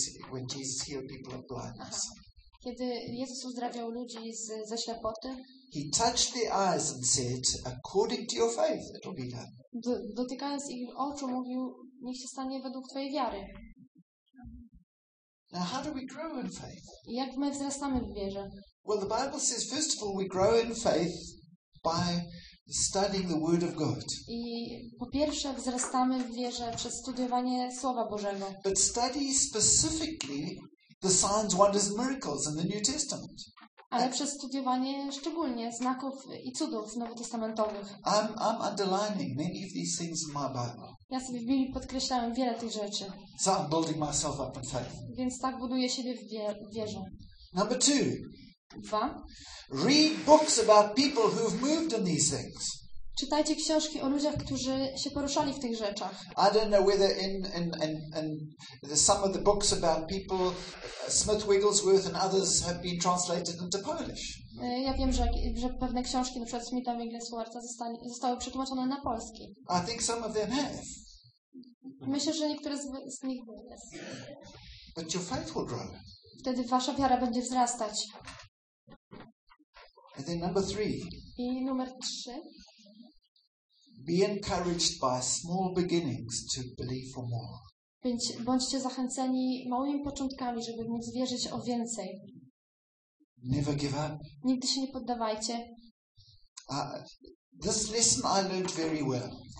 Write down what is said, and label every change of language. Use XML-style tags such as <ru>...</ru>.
<en>when Jesus healed people of blindness.</en> <pl>Kiedy Jezus uzdrawiał ludzi ze ślepoty,</pl> <en>he touched their eyes and said, according to your faith, it will be done.</en> <pl>Dotykając ich oczu, mówił, niech się stanie według twojej wiary.</pl> <en>Now, how do we grow in faith?</en> <pl>Jak my wzrastamy w wierze?</pl> <en>Well, the Bible says, first of all, we grow in faith by studying the Word of God.</en> <pl>I po pierwsze wzrastamy w wierze przez studiowanie Słowa Bożego.</pl> <en>But study specifically the signs, wonders, and miracles in the New Testament.</en> <pl>Ale przez studiowanie szczególnie znaków i cudów nowotestamentowych.</pl> <en>I'm underlining many of these things in my Bible.</en> <pl>Ja sobie w Biblii podkreślałem wiele tych rzeczy.</pl> <en>So I'm building myself up in faith.</en> <pl>Więc tak buduję siebie w wierze.</pl> <en>Number two.</en> <pl>Dwa.</pl> <en>Read books about people who have moved in these things.</en> <pl>Czytajcie książki o ludziach, którzy się poruszali w tych rzeczach.</pl> <en>I don't know whether in some of the books about people, Smith Wigglesworth and others have been translated into Polish.</en> <pl>Ja wiem, że pewne książki, na przykład Smitha Wigglesworth, zostały przetłumaczone na polski.</pl> <en>I think some of them have.</en> <pl>Myślę, że niektóre z nich były.</pl> <en>But your faith will grow.</en> <pl>Wtedy wasza wiara będzie wzrastać.</pl> <en>And then number three.</en> <pl>I numer trzy.</pl> <en>Be encouraged by small beginnings to believe for more.</en> <pl>Bądźcie zachęceni małymi początkami, żeby móc wierzyć o więcej.</pl> <en>Never give up.</en> <pl>Nigdy się nie poddawajcie.</pl> <en>This lesson I learned very well.</en>